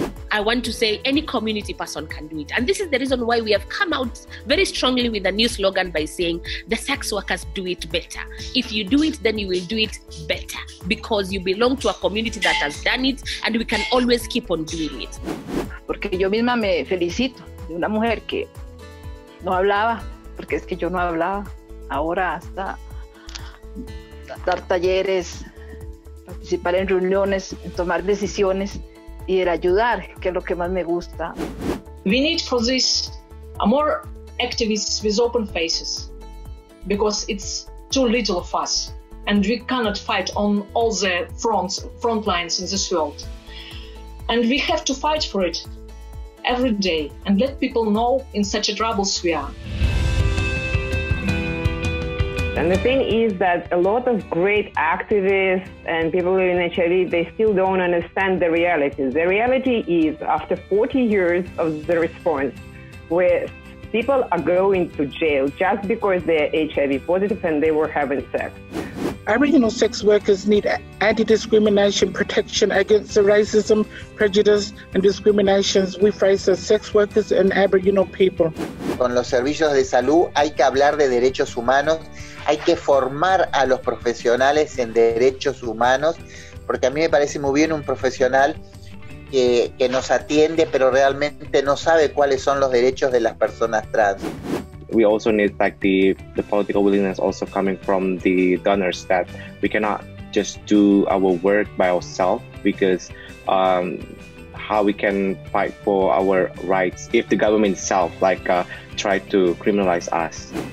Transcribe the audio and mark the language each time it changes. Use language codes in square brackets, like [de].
[en] I want to say any community person can do it. And this is the reason why we have come out very strongly with a new slogan by saying the sex workers do it better. If you do it, then you will do it better because you belong to a community that has done it and we can always keep on doing it. [es] Porque yo misma me felicito de una mujer que no hablaba, porque es que yo no hablaba. Ahora hasta dar talleres, participar en reuniones, tomar decisiones y el ayudar, que es lo que más me gusta. [en] We need for this a more activists with open faces, because it's too little of us and we cannot fight on all the front lines in this world. And we have to fight for it every day and let people know in such a troubles we are. And the thing is that a lot of great activists and people living in HIV, they still don't understand the reality. The reality is, after 40 years of the response, where people are going to jail just because they're HIV positive and they were having sex. Aboriginal sex workers need anti-discrimination protection against the racism, prejudice and discriminations we face as sex workers and Aboriginal people. [es] Con los servicios de salud hay que hablar de derechos humanos. Hay que formar a los profesionales en derechos humanos, porque a mí me parece muy bien un profesional que nos atiende, pero realmente no sabe cuáles son los derechos de las personas trans. [en] We also need like the political willingness also coming from the donors, that we cannot just do our work by ourselves, because how we can fight for our rights if the government itself like try to criminalize us.